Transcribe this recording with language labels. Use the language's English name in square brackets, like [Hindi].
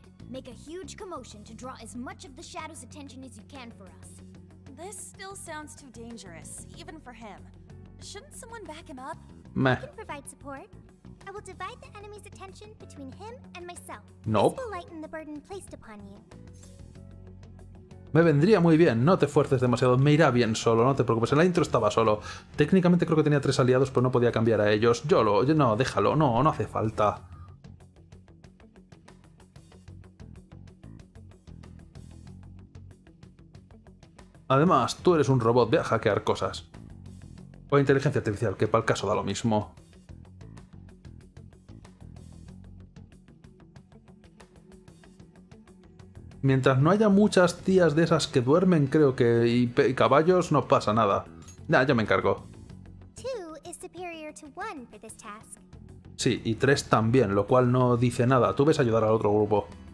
[English] Make a huge commotion to draw as much of the shadow's attention as you can for us. This still sounds too dangerous, even for him. Shouldn't someone back him up? Meh. I can provide support. I will divide the enemy's attention between him and myself. Nope. This will lighten the burden placed upon you. [Spanish] Me vendría muy bien. No te esfuerces demasiado. Me irá bien solo. No te preocupes. En la intro estaba solo. Técnicamente creo que tenía 3 aliados, pero no podía cambiar a ellos. Yo no, déjalo. No, no hace falta. Además, tú eres un robot, ve a hackear cosas. O inteligencia artificial, que para el caso da lo mismo. Mientras no haya muchas tías de esas que duermen, creo que, y caballos, no pasa nada. Nah, yo me encargo. [English] Two is superior to one for this task. [Spanish] Sí, y tres también, lo cual no dice nada. Tú ves ayudar al otro grupo.